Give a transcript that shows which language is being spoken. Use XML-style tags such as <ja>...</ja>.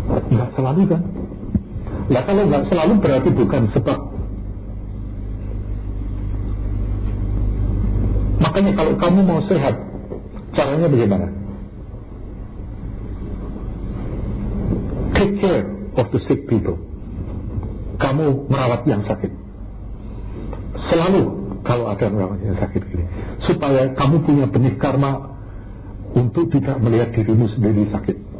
<id>Enggak selalu kan? Ya kalau enggak selalu berarti bukan sebab. Makanya kalau kamu mau sehat, caranya bagaimana?</id> <en>Take care of the sick people.</en> <id>Kamu merawat yang sakit. Selalu kalau ada merawat yang sakit ini, supaya kamu punya benih karma untuk tidak melihat dirimu sendiri sakit.</id>